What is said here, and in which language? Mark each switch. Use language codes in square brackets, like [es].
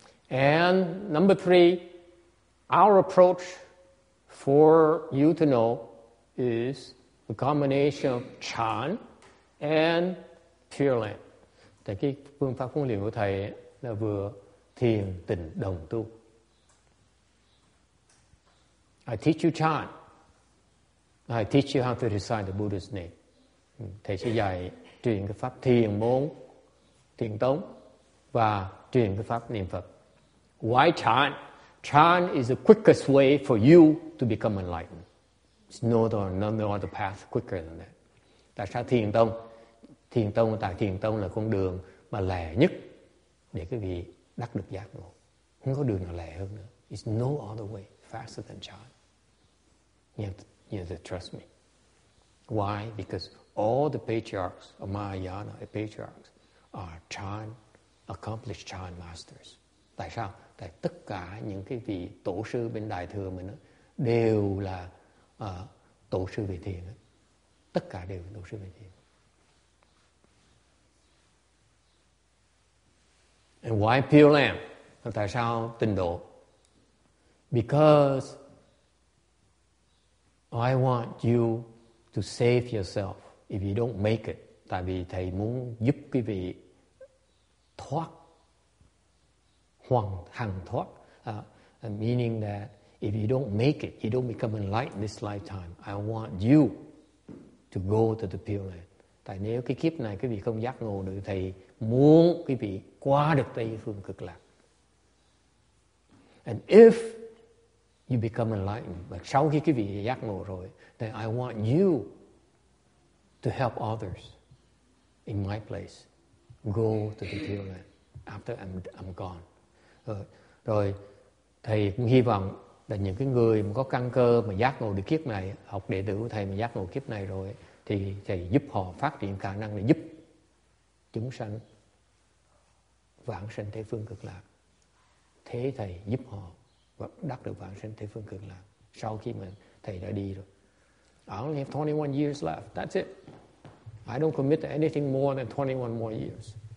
[en] And number three, our approach for you to know is a combination of Chan and Pure Land. [vi] Tại cái phương pháp huấn luyện của thầy là vừa thiền tịnh đồng tu. [en] I teach you Chan. I teach you how to recite the Buddha's name. [vi] Thầy sẽ dạy truyền cái pháp thiền môn, thiền tông và truyền cái pháp niệm Phật. [en] Why Chan? Chan is the quickest way for you to become enlightened. It's not on none other path quicker than that. [vi] Tại sao thiền tông? Thiền tông, tại thiền tông là con đường mà lẹ nhất để quý vị đắc được giác ngộ. Không có đường nào lẹ hơn nữa. [en] It's no other way faster than Chan. You have to trust me. Why? Because all the patriarchs of Mahayana, the patriarchs, are Chan, accomplished Chan masters. [vi] Tại sao? Tại tất cả những cái vị tổ sư bên Đại Thừa mình đó, đều là tổ sư về thiền. Đó. Tất cả đều là tổ sư về thiền. [en] And why Pure Land? [vi] Tại sao tịnh độ? [en] Because I want you to save yourself if you don't make it. [vi] Tại vì thầy muốn giúp quý vị thoát, hằng thoát. [en] Meaning that if you don't make it, you don't become enlightened this lifetime, I want you to go to the Pure Land. [vi] Tại nếu cái kiếp này quý vị không giác ngộ được, thầy muốn quý vị qua được Tây Phương Cực Lạc. [en] And if you become enlightened, like [vi] sau khi quý vị giác ngộ rồi, [en] then I want you to help others in my place go to the Pure Land after I'm gone. [vi] Rồi thầy cũng hy vọng là những cái người mà có căn cơ mà giác ngộ được kiếp này, học đệ tử của thầy mà giác ngộ kiếp này rồi, thì thầy giúp họ phát triển khả năng để giúp chúng sanh vãng sanh Tây Phương Cực Lạc. Thế thầy giúp họ đắc được vãng sanh Tây Phương Cực Lạc sau khi mà thầy đã đi rồi. [en] I only have 21 years left. That's it. I don't commit to anything more than 21 more years.